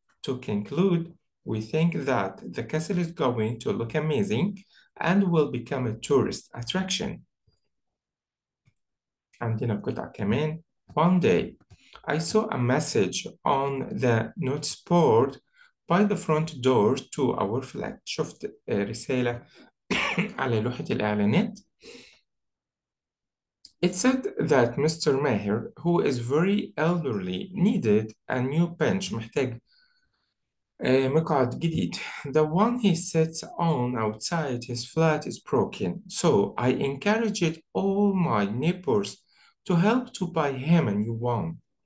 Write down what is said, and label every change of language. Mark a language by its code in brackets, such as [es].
[en] To conclude, we think that the castle is going to look amazing and will become a tourist attraction. [ar] عندنا قطعة كمان. [en] One day, I saw a message on the notice board by the front door to our flat. [ar] شفت رسالة على لوحة الإعلانات. [en] It said that Mr. Maher, who is very elderly, needed a new bench. [ar] محتاج مقعد جديد. [en] The one he sits on outside his flat is broken. So I encouraged all my neighbors to help to buy him a new one.